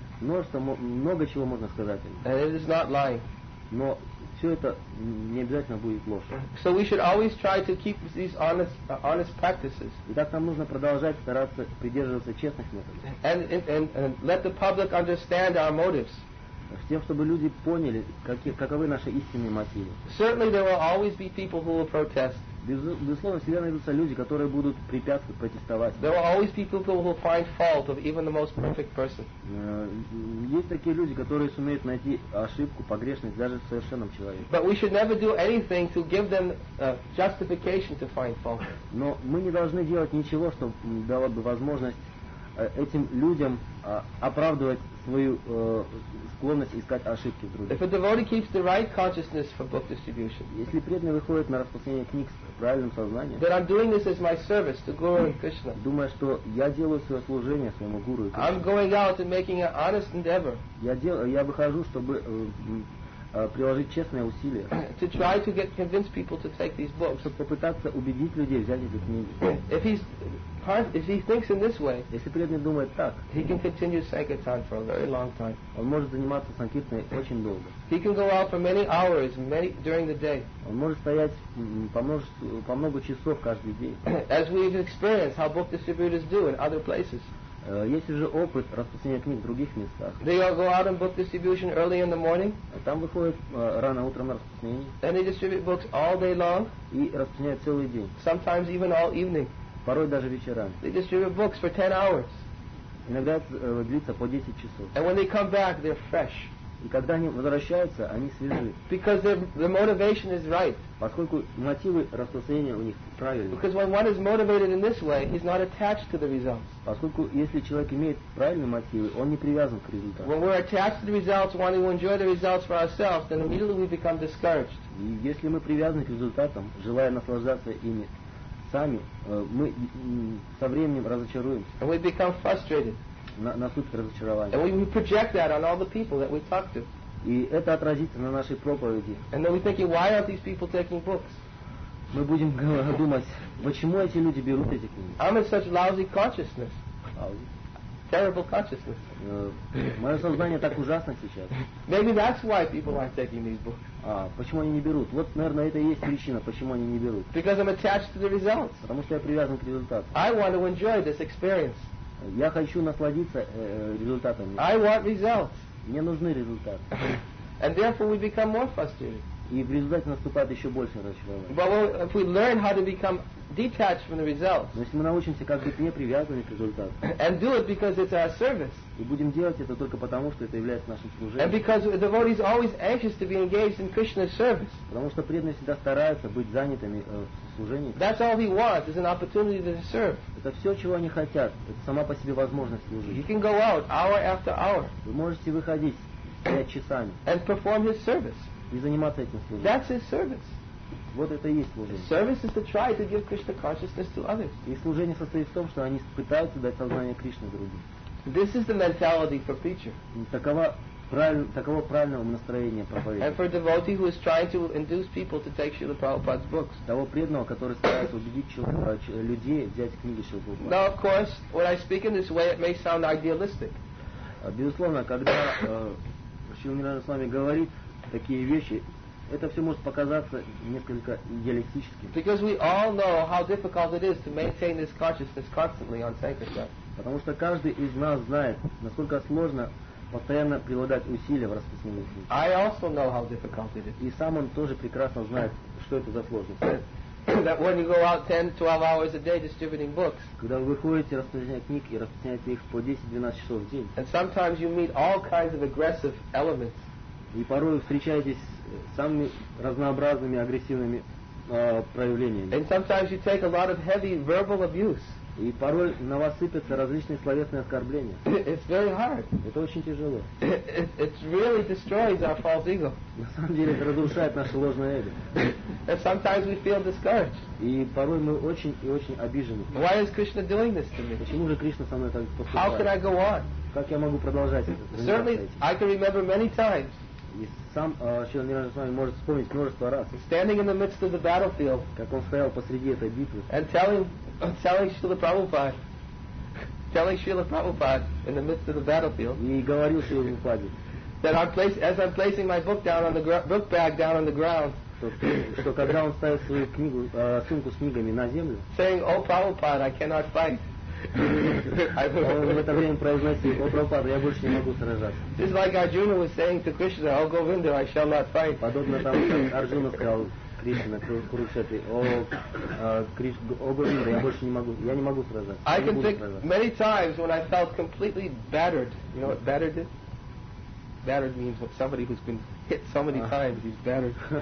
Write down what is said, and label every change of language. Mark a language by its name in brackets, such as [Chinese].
[Russian] Много чего можно сказать. [English] And it is not lying. [Russian] Но все это не обязательно будет ложь. [English] So we should always try to keep these honest practices. [Russian] Итак, нам нужно продолжать стараться придерживаться честных методов. [English] And let the public understand our motives. [Russian] С тем, чтобы люди поняли, каковы наши истинные мотивы. [English] Certainly there will always be people who will protest. [Russian] Безусловно, всегда найдутся люди, которые будут препятствовать, протестовать. [English] There will always be people who find fault of even the most perfect person. [Russian] Есть такие люди, которые сумеют найти ошибку, погрешность даже в совершенном человеке. [English] But we should never do anything to give them justification to find fault. [Russian] Но мы не должны делать ничего, что дало бы возможность этим людям оправдывать свою склонность искать ошибки в других. [English] If a devotee keeps the right consciousness for book distribution, [Russian] если преданный выходит на распространение книг с правильным сознанием, [English] then I'm doing this as my service to Guru and Krishna. [Russian] Думая, что я делаю свое служение своему гуру и Кришне. [English] I'm going out and making an honest endeavor. [Russian] Я выхожу, чтобы приложить честные усилия. [English] To try to get convince people to take these books. [Russian] Чтобы попытаться убедить людей взять эти книги. [English] If he thinks in this way, [Russian] если преданный думает так, [English] he can continue sankirtan for a very long time. [Russian] Он может заниматься санкиртаной очень долго. [English] He can go out for many hours, many during the day. [Russian] Он может стоять по много часов каждый день. [English] As we've experienced how book distributors do in other places. [Russian] Есть уже опыт распространения книг в других местах. [English] They all go out on book distribution early in the morning. [Russian] Там выходят рано утром на распространение. [English] And they distribute books all day long. [Russian] И распространяют целый день. [English] Sometimes even all evening. [Russian] Порой даже вечерами. [English] They distribute books for 10 hours. [Russian] Иногда длится по 10 часов. [English] And when they come back, they're fresh. [Russian] И когда они возвращаются, они свежи. [English] Because the motivation is right. [Russian] Поскольку мотивы распространения у них правильные. [English] Because when one is motivated in this way, he's not attached to the results. [Russian] Поскольку если человек имеет правильные мотивы, он не привязан к результату. [English] When we're attached to the results, wanting to enjoy the results for ourselves, then immediately we become discouraged. [Russian] И если мы привязаны к результатам, желая наслаждаться ими сами, мы со временем разочаруемся. [English] And we become frustrated. [Russian] Разочарование. [English] And we project that on all the people that we talk to. [Russian] И это отразится на нашей проповеди. [English] And then we think, why aren't these people taking books? [Russian] Мы будем думать, почему эти люди берут эти книги? [English] I'm in such lousy consciousness. Lousy. Terrible consciousness. [Russian] Мое сознание так ужасно сейчас. [English] Maybe that's why people aren't taking these books. [Russian] Почему они не берут? Вот, наверное, это и есть причина, почему они не берут. [English] Because I'm attached to the results. [Russian] Потому что я привязан к результату. [English] I want to enjoy this experience. [Russian] Я хочу насладиться результатами. [English] I want results. [Russian] Мне нужны результаты. [English] And therefore we become more frustrated. [Russian] И в результате наступает еще больше разочарования. [English] But if we learn how to become detached from the results. [Russian] Но если мы научимся, как быть не привязаны к результату. [English] And do it because it's our service. [Russian] И будем делать это только потому, что это является нашим служением. [English] And because the devotee is always anxious to be engaged in Krishna's service. [Russian] Потому что преданные всегда стараются быть занятыми в служении. [English] That's all he wants, is an opportunity to serve. [Russian] Это все, чего они хотят. Это сама по себе возможность служить. [English] You can go out hour after hour. [Russian] Вы можете выходить 5 часами. [English] And perform his service. [Russian] И заниматься этим служением. [English] That's his service. [Russian] Вот это и есть служение. [English] Service is to try to give Krishna consciousness to others. [Russian] И служение состоит в том, что они пытаются дать сознание Кришне другим. [English] This is the mentality for preacher. [Russian] Таково правильное настроение проповедника. [English] And for a devotee who is trying to induce people to take Srila Prabhupada's books. [Russian] Того преданного, который старается убедить людей взять книги Шрилы Прабхупады. [English] Now, of course, when I speak in this way, it may sound idealistic. [Russian] Безусловно, когда Шрила Нирана с вами говорит такие вещи, это все может показаться несколько идеалистическим. [English] Because we all know how difficult it is to maintain this consciousness constantly on sankirtan. [Russian] Потому что каждый из нас знает, насколько сложно постоянно прилагать усилия в распространении книг. [English] I also know how difficult it is. [Russian] И сам он тоже прекрасно знает, что это за сложность. [English] That when you go out 10-12 hours a day distributing books. [Russian] Когда вы выходите распространять книги и распространяете их по 10-12 часов в день. [English] And sometimes you meet all kinds of aggressive elements. [Russian] И порой встречаетесь с самыми разнообразными агрессивными проявлениями. [English] And sometimes you take a lot of heavy verbal abuse. [Russian] И порой на вас сыпятся различные словесные оскорбления. [English] It's very hard. [Russian] Это очень тяжело. [English] It really destroys our false ego. [Russian] На самом деле это разрушает наше ложное эго. [English] And sometimes we feel discouraged. [Russian] И порой мы очень и очень обижены. [English] Why is Krishna doing this to me? [Russian] Почему же Кришна со мной так поступает? [English] How can I go on? [Russian] Как я могу продолжать? [English] Certainly, I can remember many times. [Russian] И сам Шрила Нираджа Свами может вспомнить множество раз. [English] Standing in the midst of the battlefield. [Russian] Как он стоял посреди этой битвы. [English] And telling Shrila Prabhupada in the midst of the battlefield. [Russian] И говорил Шрила Прабхупаде. [English] That as I'm placing my book down on the book bag down on the ground. [Russian] Что когда он ставит свою книгу, сумку с книгами на землю. [English] Saying, "Oh, Prabhupada, I cannot fight." [Russian] В это время произносил: «О, Прабхупада, я больше не могу сражаться». [English] This is like Arjuna was saying to Krishna, "O Govinda, I shall not fight." [Russian] Подобно тому, как Арджуна сказал Кришне: «Курукшетре, о Говинда, я не могу сражаться». [English] I can think many times when I felt completely battered. You know what battered is? Battered means what somebody who's been hit so many times, he's battered.